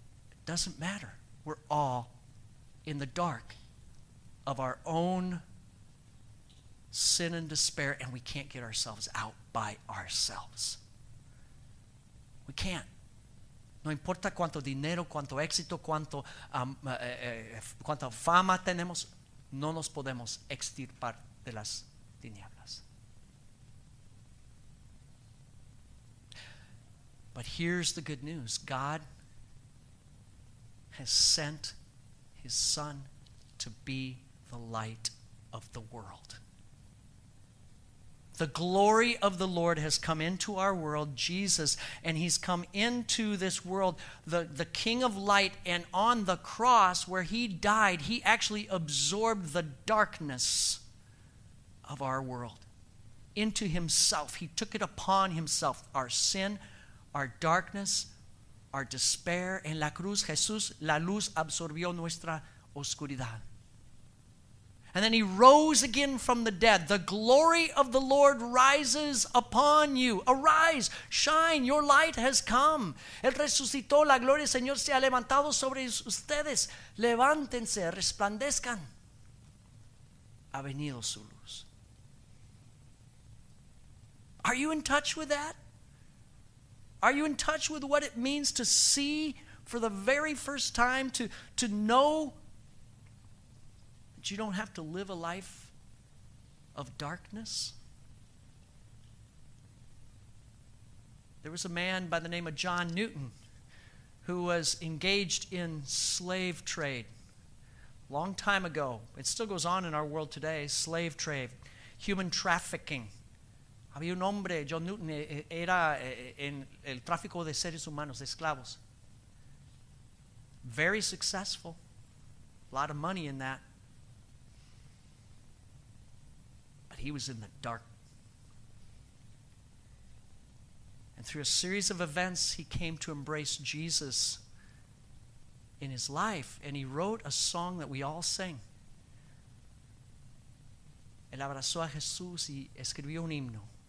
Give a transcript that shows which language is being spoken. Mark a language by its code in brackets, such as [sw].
[en] It doesn't matter. We're all in the dark of our own sin and despair, and we can't get ourselves out by ourselves. We can't. [es] No importa cuánto dinero, cuánto éxito, cuánta fama tenemos, no nos podemos extirpar de las tinieblas. [en] But here's the good news. God has sent his son to be the light of the world. The glory of the Lord has come into our world, Jesus, and he's come into this world, the King of light, and on the cross where he died, he actually absorbed the darkness of our world into himself. He took it upon himself, our sin, our darkness, our despair. [es] En la cruz, Jesús, la luz absorbió nuestra oscuridad. [en] And then he rose again from the dead. The glory of the Lord rises upon you. Arise, shine, your light has come. [es] Él resucitó, la gloria del Señor se ha levantado sobre ustedes. Levántense, resplandezcan. Ha venido su luz. [en] Are you in touch with that? Are you in touch with what it means to see for the very first time, to know you don't have to live a life of darkness? There was a man by the name of John Newton who was engaged in slave trade long time ago. It still goes on in our world today, slave trade, human trafficking. [es] Había un hombre, John Newton, era en el tráfico de seres humanos, de esclavos. [en] Very successful. A lot of money in that. He was in the dark. And through a series of events, he came to embrace Jesus in his life. And he wrote a song that we all sing. [es] Él abrazó a Jesús y escribió un himno.